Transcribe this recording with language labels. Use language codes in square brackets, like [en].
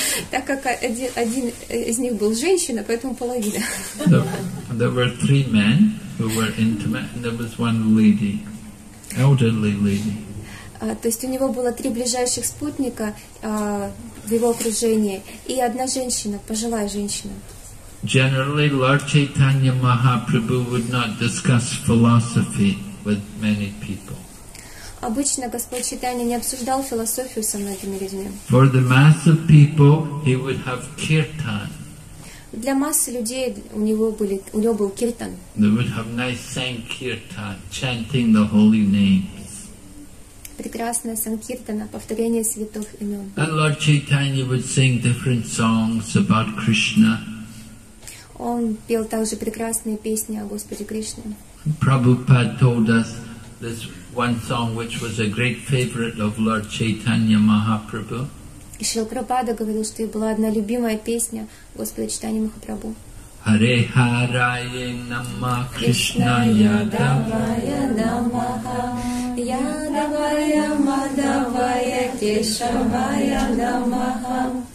[ru] Так как один из них был женщина, поэтому половина. [en] There were 3 men. Who were intimate, and there was one lady, elderly lady. [ru] То есть у него было 3 ближайших спутника в его окружении и одна женщина, пожилая женщина. [en] Generally, Lord Chaitanya Mahaprabhu would not discuss philosophy with many people. [ru] Обычно Господь Чайтанья не обсуждал философию со многими людьми. [en] For the mass of people, he would have kirtan. [ru] Для массы людей у него был киртан. [en] They would have nice sankirtan, chanting the holy names. [ru] Прекрасная санкиртана, повторение святых имен. [en] And Lord Chaitanya would sing different songs about Krishna. [ru] Он пел также прекрасные песни о Господе Кришне. [en] Prabhupada told us this one song which was a great favorite of Lord Chaitanya Mahaprabhu. [ru] И Шрила Прабхупада говорил, что это была одна любимая песня Господа Чайтанья Махапрабху. [sa] Харе харае нама Кришная давая намаха, ядавая мадавая кешавая намаха.